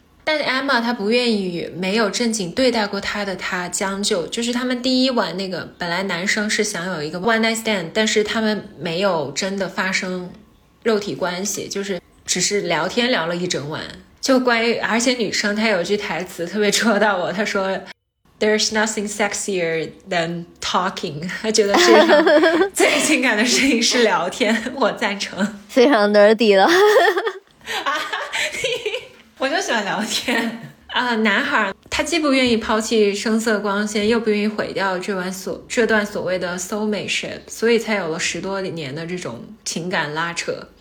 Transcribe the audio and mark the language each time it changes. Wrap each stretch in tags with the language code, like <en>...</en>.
<zh>但 Emma 她不愿意与没有正经对待过她的她将就，就是他们第一晚那个本来男生是想有一个</zh> <en>one night stand</en> <zh>但是他们没有真的发生肉体关系，就是只是聊天聊了一整晚，就关于而且女生她有句台词特别戳到我，她说</zh> <en>There's nothing sexier than talking.</en> <zh>他觉得世界上最性感的事情是聊天。我赞成。非常 nerdy 了。我就喜欢聊天。男孩他既不愿意抛弃声色光鲜，又不愿意毁掉这段所谓的 soulmateship， 所以才有了十多年的这种情感拉扯。</zh>